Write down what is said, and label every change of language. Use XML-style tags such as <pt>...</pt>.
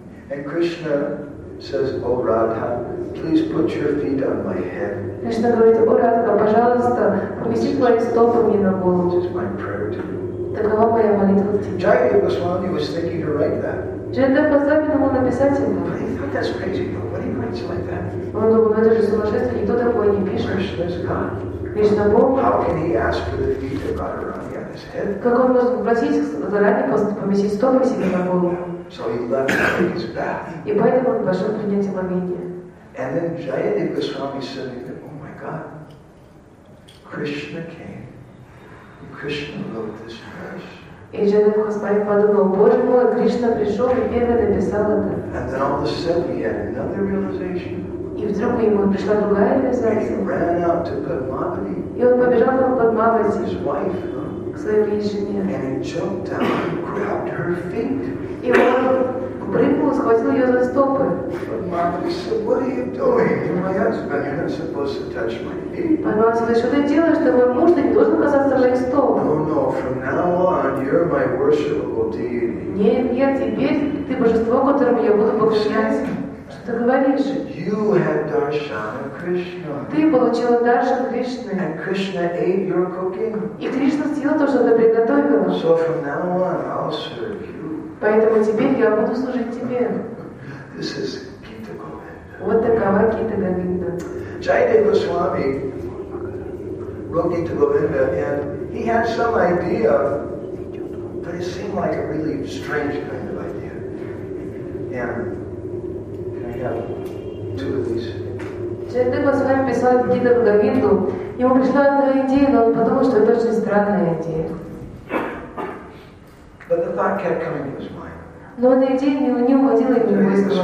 <en>And Krishna says, O Radha, please put your feet on my head.</en> <ru>Кришна говорит, о, Радха, пожалуйста, помести твои стопы мне на голову. Такова моя молитва к тебе.</ru> <en>Jayadev Goswami was thinking to write that.</en> <ru>Jayadev Goswami думал написать ему.</ru> <en>But he thought that's crazy, nobody writes like that.</en> <ru>Он думал, это же сумасшествие, никто такое не пишет.</ru> <en>Krishna is God.</en> <ru>Кришна Бог.</ru> <en>How can he ask for the feet of God around on his head?</en> <ru>Как он может попросить заранее поместить стопы себе на голову?</ru> <en>So he left to take his bath.</en> <ru>И поэтому он пошел принять омовение.</ru> <en>And then Jayadev Goswami said, Krishna came. Krishna wrote this verse.</en> <ru>И Jayadev Goswami подумал, Боже мой, Кришна пришел и первый написал это.</ru> <en>And then all of a sudden he had another realization.</en> <ru>И вдруг ему пришла другая реализация.</ru> <en>And he ran out to Padmavati.</en> <ru>И он побежал к Padmavati.</ru> <en>His wife.</en> <ru>К своей жене.</ru> <en>And he jumped down and grabbed her feet.</en> <ru>И он прыгнул, схватил ее за стопы.</ru> <en>Padmavati said, What are you doing? You're my husband. You're not supposed to touch my</en> <ru>Подумал, что ты делаешь, что мой муж не должен касаться моих стоп.</ru> <en>No, from now on, you're my worshipable deity.</en> <ru>Нет, теперь ты божество, которому я буду поклоняться. Что ты говоришь?</ru> <en>You had darshan of Krishna.</en> <ru>Ты получил даршан Кришны.</ru> <en>And Krishna ate your cooking.</en> <ru>И Кришна съел то, что ты приготовила.</ru> <en>So from now on, I'll serve you.</en> <ru>Поэтому теперь я буду служить тебе.</ru> <en>This is Gita Govinda.</en> <ru>Вот такова Гита Говинда.</ru> <en>Jayadev Goswami wrote Gita Govinda and he had some idea, but it seemed like a really strange kind of idea. And I have two of these.</en> <ru>Jayadev Goswami писал Гита Говинду. Ему пришла одна идея, но он подумал, что это очень странная идея. But the thought kept coming to his mind. Но эта идея не уходила из его</ru>